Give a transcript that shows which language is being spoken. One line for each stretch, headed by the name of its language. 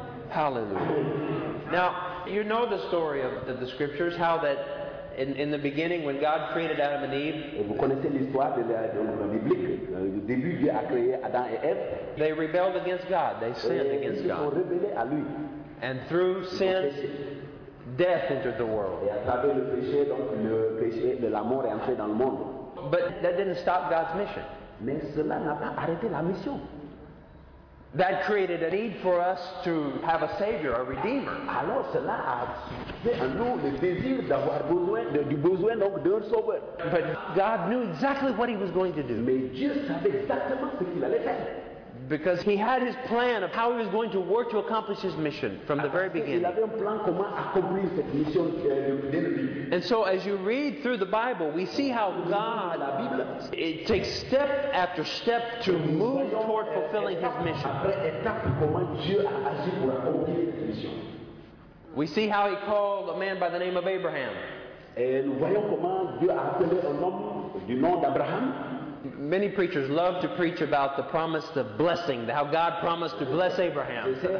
English: Hallelujah. Now, you know the story of the scriptures, how that in the beginning when God created Adam and Eve,
French: vous connaissez l'histoire de la biblique, au début Dieu a créé Adam et Eve.
English: They rebelled against God. They sinned against God.
French: Ils ont rebellé à lui.
English: And through sin, death entered the world.
French: Et à travers le péché, donc le péché de la mort est entré dans le monde.
English: But that didn't stop God's mission.
French: Mais cela n'a pas arrêté la mission.
English: That created a need for us to have a Savior, a Redeemer.
French: Alors cela a fait en nous le désir d'avoir besoin, donc d'un sauveur.
English: But God knew exactly what He was going to do.
French: Mais Dieu savait exactement ce qu'il allait faire.
English: Because He had His plan of how He was going to work to accomplish His mission from the very beginning.
French: Il avait un plan comment accomplir cette mission dès le début.
English: And so as you read through the Bible, we see how God,
French: la Bible,
English: it takes step after step to move toward fulfilling His mission.
French: Après étape, comment Dieu a agi pour accomplir cette mission.
English: We see how He called a man by the name of Abraham.
French: Et nous voyons comment Dieu a appelé un homme du nom d'Abraham.
English: Many preachers love to preach about the promise of blessing, how God promised to bless Abraham.